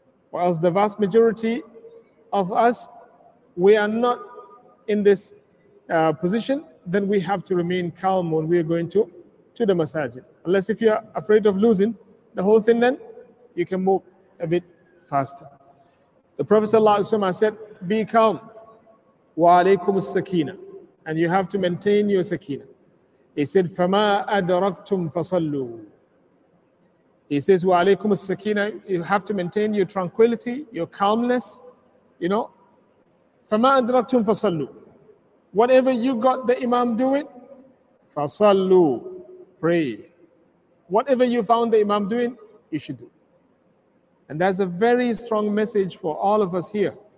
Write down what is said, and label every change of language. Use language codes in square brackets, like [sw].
[en] Whereas the vast majority of us, we are not in this position, then we have to remain calm when we are going to the masajid. Unless if you are afraid of losing the whole thing, then you can move a bit faster. The Prophet ﷺ said, be calm. [ar] Wa alaykum as-sakina. [en] And you have to maintain your sakina. He said, [ar] فَمَا أَدْرَكْتُمْ فَصَلُّوا. [en] He says, [ar] wa alaykum as-sakina, [en] you have to maintain your tranquility, your calmness, you know. [ar] فَمَا أَدْرَكْتُمْ فَصَلُّوا. [en] Whatever you got the Imam doing, فَصَلُّوا, pray. Whatever you found the Imam doing, you should do. And that's a very strong message for all of us here.